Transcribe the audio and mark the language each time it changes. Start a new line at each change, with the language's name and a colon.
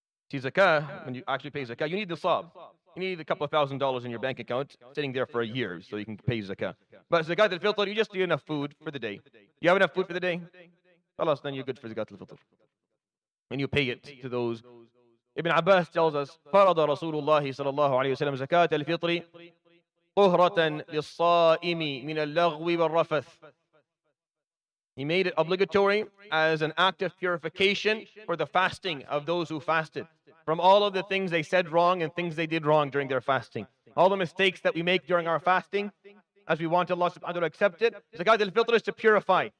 English: See, zakah, when you actually pay zakah, you need the sab. You need a couple of $1,000 in your bank account sitting there for a year so you can pay zakah. But Zakat al-Fitr, you just need enough food for the day. You have enough food for the day? Allah, then you're good for Zakat al-Fitr. And you pay it to those Ibn Abbas tells us,
Arabic: فَرَضَ رَسُولُ اللَّهِ صَلَى اللَّهُ عَلَيْهِ وَسَلَمْ زَكَاةَ الْفِطْرِ طُهْرَةً لِلصَّائِمِ مِنَ اللَّغْوِ وَالرَّفَثِ.
English: He made it obligatory as an act of purification for the fasting of those who fasted from all of the things they said wrong and things they did wrong during their fasting. All the mistakes that we make during our fasting, as we want Allah subhanahu wa ta'ala to accept it, Zakat al-Fitr is to purify.